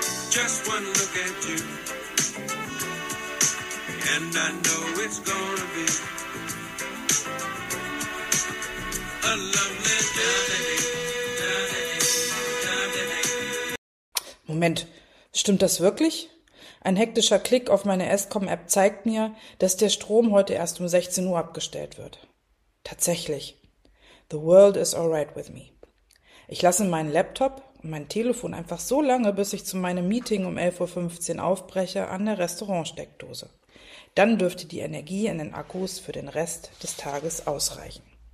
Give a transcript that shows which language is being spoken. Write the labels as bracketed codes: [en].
[en] Just one look at you. And I know it's gonna be a lovely day. [de] Moment, stimmt das wirklich? Ein hektischer Klick auf meine Eskom-App zeigt mir, dass der Strom heute erst um 16 Uhr abgestellt wird. Tatsächlich. [en] The world is alright with me. [de] Ich lasse meinen Laptop und mein Telefon einfach so lange, bis ich zu meinem Meeting um 11.15 Uhr aufbreche, an der Restaurantsteckdose. Dann dürfte die Energie in den Akkus für den Rest des Tages ausreichen.